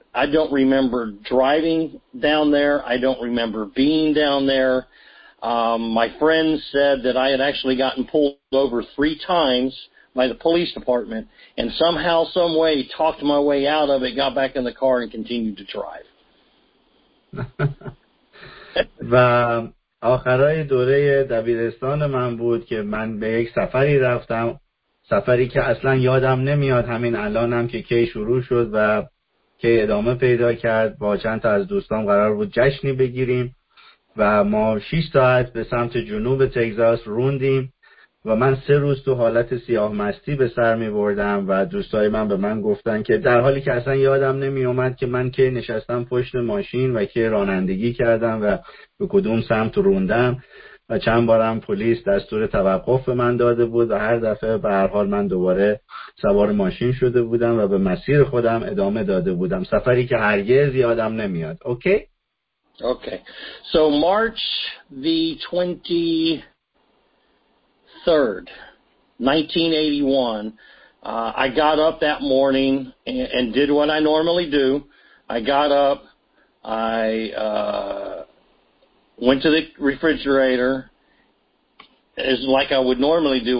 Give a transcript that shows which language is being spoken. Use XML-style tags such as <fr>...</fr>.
<en>I don't remember driving down there. I don't remember being down there. My friend said that I had actually gotten pulled over 3 times by the police department and somehow, some way, talked my way out of it, got back in the car and continued to drive.</en> <fa>و آخرای دوره دبیرستان من بود که من به یک سفری رفتم، سفری که اصلا یادم نمیاد همین الانم که کی شروع شد و که ادامه پیدا کرد. با چند تا از دوستان قرار بود جشنی بگیریم و ما 6 ساعت به سمت جنوب تگزاس روندیم و من 3 روز تو حالت سیاه مستی به سر می بردم و دوستای من به من گفتن که در حالی که اصلا یادم نمی اومد که من که نشستم پشت ماشین و که رانندگی کردم و به کدوم سمت روندم و چند بارم پلیس دستور توقف به من داده بود و هر دفعه به هر حال من دوباره سوار ماشین شده بودم و به مسیر خودم ادامه داده بودم. سفری که هرگز یادم نمیاد. اوکی؟</fa> <en>Okay. So March the 23rd, 1981, I got up that morning and did what I normally do. I got up, I went to the refrigerator, as like I would normally do.</en>